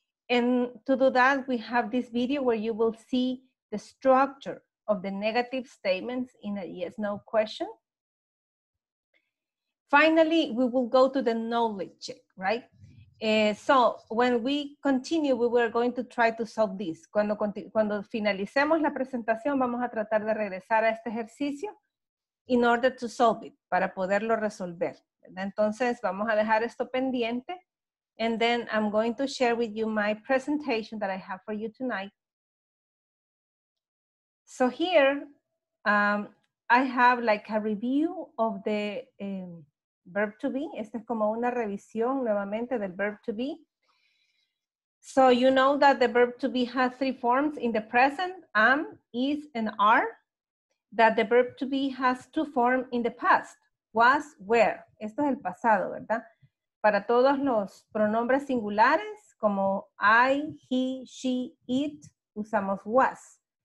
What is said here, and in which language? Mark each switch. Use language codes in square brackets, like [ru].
[en] And to do that, we have this video where you will see the structure of the negative statements in a yes, no question. Finally, we will go to the knowledge check, right? So when we continue, we were going to try to solve this. [es] Cuando finalicemos la presentación, vamos a tratar de regresar a este ejercicio. [en] In order to solve it, [es] para poderlo resolver. Entonces, vamos a dejar esto pendiente. [en] And then I'm going to share with you my presentation that I have for you tonight. So here, I have like a review of the verb to be. [es] Esta es como una revisión nuevamente del verb to be. [en] So you know that the verb to be has three forms in the present, am, is, and are. That the verb to be has two forms in the past, was, were. [es] Esto es el pasado, ¿verdad? Para todos los pronombres singulares, como I, he, she, it, usamos was.